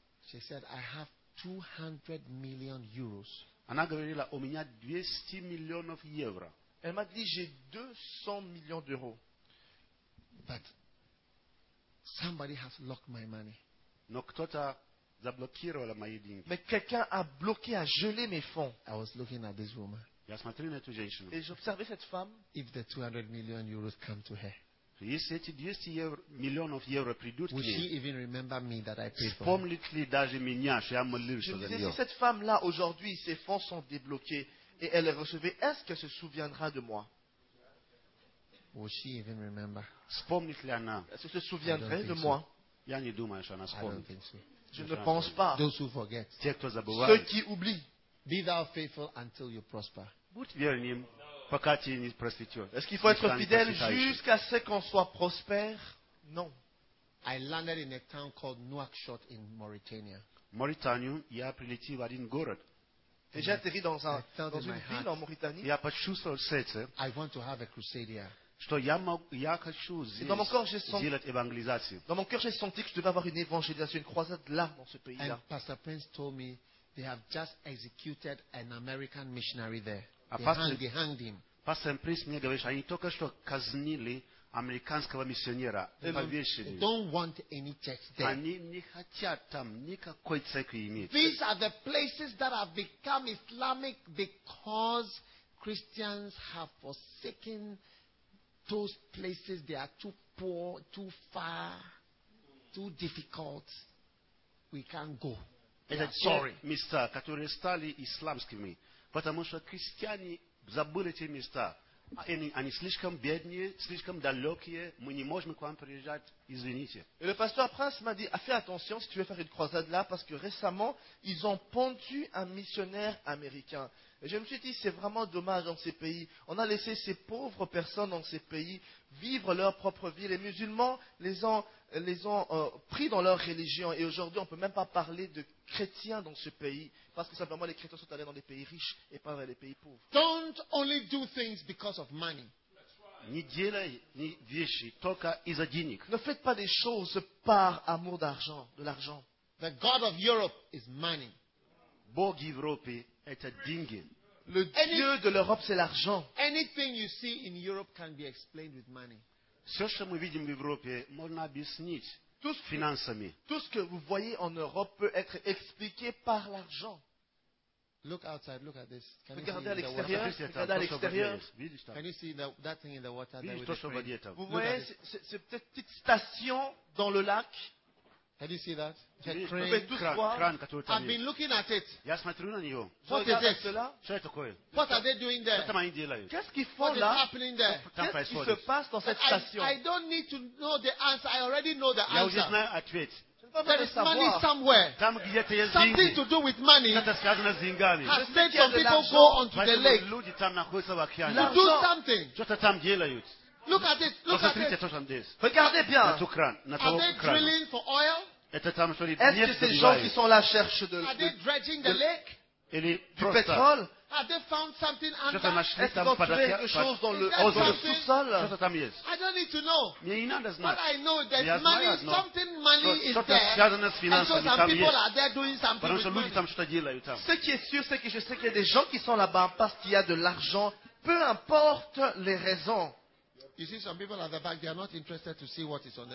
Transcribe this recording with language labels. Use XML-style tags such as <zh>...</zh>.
<en>She said I have 200 million euros.</en> <ru>Она говорила, у меня 200 миллионов евро.</ru> <fr>Elle m'a dit, j'ai 200 millions d'euros.</fr> <en>But somebody has locked my money.</en> <ru>Но кто-то заблокировала мои деньги.</ru> <fr>Mais quelqu'un a bloqué, a gelé mes fonds.</fr> <en>I was looking at this woman.</en> <ru>Я смотрел на эту женщину.</ru> <fr>Et j'observais cette femme.</fr> <en>If the 200 million euros come to her.</en> <ru>Если эти 200 миллионов евро придут</ru> <en>would</en> <ru>к ней.</ru> <en>Would she even remember me that I paid for?</en> <ru>Вспомнит ли даже меня, что я молился за нее?</ru> <fr>Si cette femme-là aujourd'hui, ses fonds sont débloqués et elle les recevait, est-ce qu'elle se souviendra de moi?</fr> <en>Would she even remember?</en> <ru>Вспомнит ли она?</ru> <fr>Est-ce qu'elle se souviendrait de moi?</fr> <en>So.</en> <ru>Я не думаю, что она вспомнит.</ru> <fr>Je ne pense pas.</fr> <en>Those who forget.</en> <fr>Ceux qui oublient.</fr> <en>Be thou faithful until you prosper.</en> <ru>Будь верным, пока ты не процветешь.</ru> <fr>Est-ce qu'il faut être fidèle jusqu'à ce qu'on soit prospère? Non.</fr> <en>I landed in a town called Nouakchott in Mauritania.</en> <ru>Mauritanie, я прилетел в один город.</ru> <fr>Et j'ai atterri dans une ville en Mauritanie.</fr> <ru>Я почувствовал сердце.</ru> <en>I want to have a crusade here.</en> <fr>Dans mon corps, j'ai senti, que je devais avoir une évangélisation, une croisade là, dans ce pays-là.</fr> <en>And Pastor Prince told me they have just executed an American missionary there. They hanged him.</en> <ru>Pastor Prince мне говорит, они только что казнили американского миссионера.</ru> <en>They don't want any church there.</en> <ru>Они не хотят там никакой церкви иметь.</ru> <en>These are the places that have become Islamic because Christians have forsaken those places. They are too poor, too far, too difficult. We can't go. Sorry.</en> <ru>Места, которые стали исламскими, потому что христиане забыли эти места. Они слишком бедные, слишком далекие, мы не можем к вам приезжать, извините.</ru> <fr>Et le pasteur Prince m'a dit, fais attention si tu veux faire une croisade là, parce que récemment, ils ont pendu un missionnaire américain. Et je me suis dit, c'est vraiment dommage dans ces pays. On a laissé ces pauvres personnes dans ces pays vivre leur propre vie. Les musulmans les ont pris dans leur religion. Et aujourd'hui, on ne peut même pas parler de chrétiens dans ce pays. Parce que simplement, les chrétiens sont allés dans les pays riches et pas dans les pays pauvres.</fr> <en>Don't only do things because of money.</en> <ru>Ni делай ni вещи, только из-за денег.</ru> <fr>Ne faites pas des choses par amour d'argent, de l'argent.</fr> <en>The God of Europe is money.</en> <ru>Бог Европы. Это деньги.</ru> <fr>Le Dieu de l'Europe, c'est l'argent.</fr> <en>Anything you see in Europe can be explained with money.</en> <ru>Все, что мы видим в Европе, можно объяснить финансами.</ru> <fr>Tout ce que vous voyez en Europe peut être expliqué par l'argent.</fr> <en>Look outside, look at this.</en> <fr>Can regardez à l'extérieur. Regardez à l'extérieur.</fr> <en>Can you see that thing in the water?</en> <fr>Vous voyez cette petite station dans le lac?</fr> <en>Can you see that? I've been looking at it.</en> <ru>Я смотрю на него.</ru> <en>What is this?</en> <ru>Что такое?</ru> <en>What are they doing there?</en> <ru>Что там они делают?</ru> <fr>Qu'est-ce qu'ils font là?</fr> <en>What is happening there?</en> <fr>Qu'est-ce qui se passe dans cette station?</fr> <en>I don't need to know the answer. I already know the answer.</en> <ru>Я уже знаю ответ.</ru> <en>There is money somewhere.</en> <ru>Там где-то есть</ru> <en>деньги. Something to do with money.</en> <ru>Это связано с деньгами.</ru> <en>Has made some people go onto the lake.</en> <ru>Люди там находятся в океане.</ru> <en>To do something.</en> <ru>Что-то там делают.</ru> <en>Look at it. Look at it.</en> <fr>Regardez bien.</fr> <ru>На ту кран.</ru> <en>Are they drilling for oil?</en> <fr>Est-ce que ces gens qui sont là cherchent de</fr> <en>l'eau? Are they dredging the lake?</en> <fr>Du pétrole?</fr> <en>Have they found something under?</en> <fr>Est-ce qu'ils ont trouvé quelque chose dans le sous-sol?</fr> <en>I don't need to know.</en> <fr>Mais il n'a pas besoin.</fr> <en>What I know, there's money. Something money is there.</en> <fr>Et certaines finances sont là.</fr> <en>And some people are there doing something.</en> <fr>Parce que lui, il t'aime, je te dis là, il t'aime. Ce qui est sûr, c'est que je sais qu'il y a des gens qui sont là-bas parce qu'il y a de l'argent, peu importe les raisons.</fr> <en>You see, some people at the back, they are not interested to see what is on the</en>